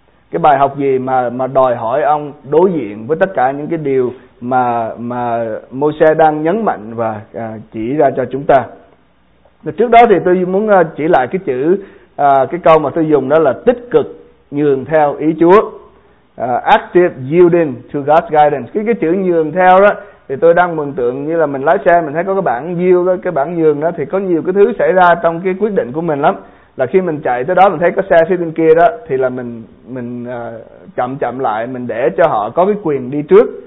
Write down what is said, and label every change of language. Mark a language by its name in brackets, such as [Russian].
[Vietnamese] Cái bài học gì mà đòi hỏi ông đối diện với tất cả những cái điều mà Moses đang nhấn mạnh và chỉ ra cho chúng ta? Trước đó thì tôi muốn chỉ lại cái chữ, cái câu mà tôi dùng đó là tích cực nhường theo ý Chúa. [English] Active yielding to God's guidance. [Vietnamese] Cái chữ nhường theo đó thì tôi đang mường tượng như là mình lái xe, mình thấy có cái bảng yield, cái bảng nhường đó, thì có nhiều cái thứ xảy ra trong cái quyết định của mình lắm. Là khi mình chạy tới đó mình thấy có xe phía bên kia đó, thì là mình chậm lại, mình để cho họ có cái quyền đi trước.